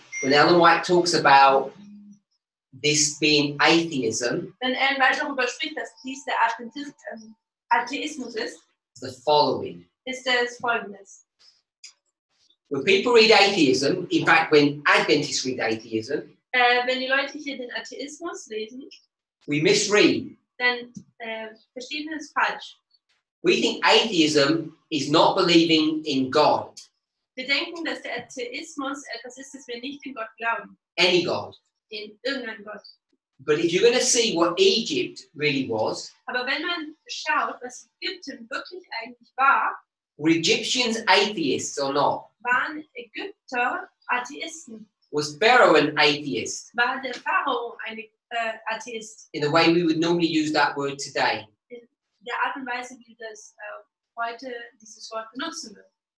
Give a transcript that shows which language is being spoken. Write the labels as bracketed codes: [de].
[en] When Ellen White talks about this being atheism. [de] Wenn Ellen White darüber spricht, dass dies der Atheismus ist. [en] The following. [de] Ist das Folgendes. [en] When people read atheism, in fact, when Adventists read atheism. [de] Wenn die Leute hier den Atheismus lesen. [en] We misread. [de] Dann verstehen wir es falsch. [en] We think atheism is not believing in God. [de] Wir denken, dass der Atheismus etwas ist, das wir nicht in Gott glauben. [en] Any God. [de] In irgendein Gott. [en] But if you're going to see what Egypt really was. [de] Aber wenn man schaut, was Ägypten wirklich eigentlich war. [en] Were Egyptians atheists or not? [de] Waren Ägypter Atheisten? [en] Was Pharaoh an atheist? [de] War der Pharao ein Atheist? [en] In the way we would normally use that word today. [de] Der Art und Weise, wie das heute dieses Wort benutzen wird.